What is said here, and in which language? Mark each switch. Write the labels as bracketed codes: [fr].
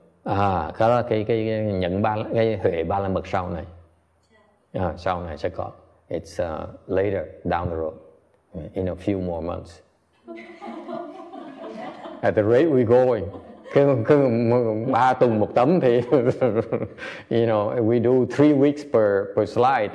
[vi] Cái là cái nhẫn ba, cái huệ ba la mật sau này. Sau này sẽ có. [en] It's later down the road, in a few more months. At the rate we're going, [vi] cứ ba tuần một tấm thì, [en] you know, we do 3 weeks per slide.